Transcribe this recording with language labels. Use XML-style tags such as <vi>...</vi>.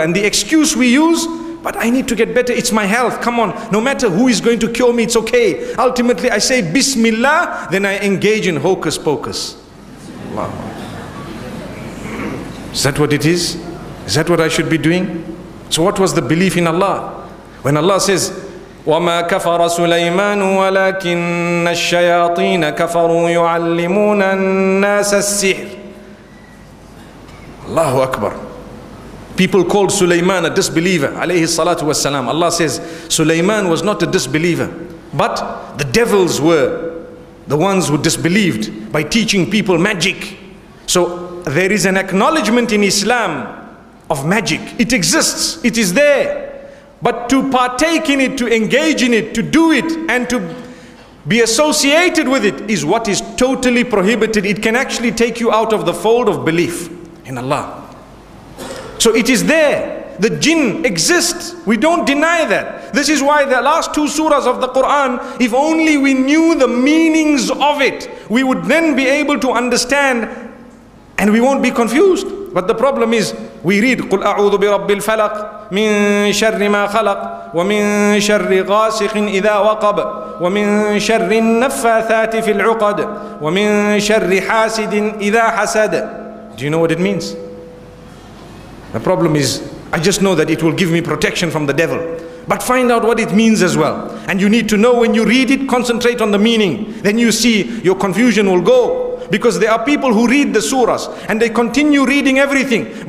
<en>And the excuse we use, but I need to get better, it's my health, come on, no matter who is going to cure me, it's okay. Ultimately, I say Bismillah, then I engage in hocus pocus. Wow. Is that what it is? Is that what I should be doing? So what was the belief in Allah? When Allah says,</en> <ar>وَمَا كَفَرَ سُلَيْمَانُ وَلَكِنَّ الشَّيَاطِينَ كَفَرُوا يُعَلِّمُونَ النَّاسَ السِّحْرِ. Allahu Akbar.</ar> <en>People called Sulaiman a disbeliever,</en> <ar>alayhi salatu wassalam.</ar> <en>Allah says, Sulaiman was not a disbeliever, but the devils were the ones who disbelieved by teaching people magic. So there is an acknowledgement in Islam of magic. It exists, it is there. But to partake in it, to engage in it, to do it, and to be associated with it is what is totally prohibited. It can actually take you out of the fold of belief in Allah. So it is there. The jinn exists. We don't deny that. This is why the last two surahs of the Quran, if only we knew the meanings of it, we would then be able to understand and we won't be confused. But the problem is, we read</en> <ar>قُلْ أَعُوذُ بِرَبِّ الْفَلَقِ مِن شَرِّ مَا خَلَقَ وَمِن شَرِّ غَاسِقٍ إِذَا وَقَبَ وَمِن شَرِّ النَّفَّاثَاتِ فِي الْعُقَدِ وَمِن شَرِّ حَاسِدٍ إِذَا حَسَدَ.</ar> <en>Do you know what it means? The problem is, I just know that it will give me protection from the devil. But find out what it means as well. And you need to know when you read it, concentrate on the meaning. Then you see your confusion will go. Because there are people who read the surahs and they continue reading everything.</en>